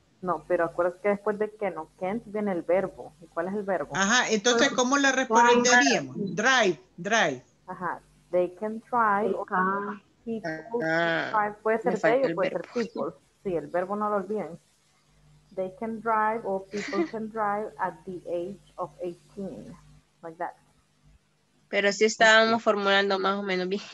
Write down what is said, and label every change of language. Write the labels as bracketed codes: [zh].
[es] No, pero acuérdate que después de que no can't viene el verbo. ¿Y cuál es el verbo? Ajá, entonces, ¿cómo le responderíamos? [en] Drive. Ajá, they can drive. Ah, people. Drive. [es] Puede ser they o puede ser people. Sí, el verbo no lo olviden. [en] They can drive or people can drive at the age of 18. Like that. [es] Pero sí estábamos formulando más o menos bien.